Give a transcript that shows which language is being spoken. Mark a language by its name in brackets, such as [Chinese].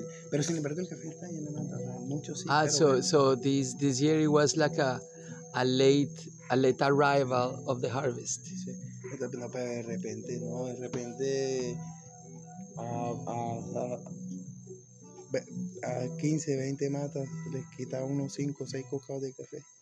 [Spanish] Pero sin embargo el café está ahí en la mata, o sea, mucho sí. Ah, so bien. [English] So this year it was like a late arrival of the harvest. [Spanish] Sí, no, pero de repente, a 15, 20 matas, les quita unos 5 o 6 cocados de café.